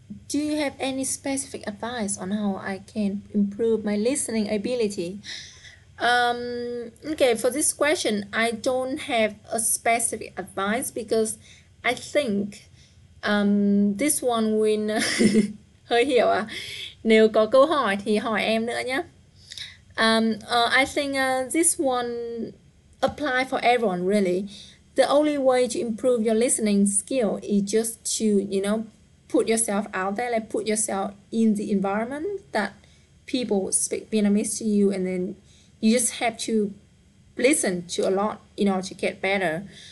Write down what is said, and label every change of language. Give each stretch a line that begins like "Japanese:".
English: Do you have any specific advice on how I can improve my listening ability? Okay, for this question, I don't have a specific advice because I think this one will
Vietnamese: hơi hiểu à? Nếu có câu hỏi thì hỏi em nữa nhé.
English: I think this one apply for everyone really. The only way to improve your listening skill is just to, you know, put yourself out there, like put yourself in the environment that people speak Vietnamese to you, and then you just have to listen to a lot in order to get better.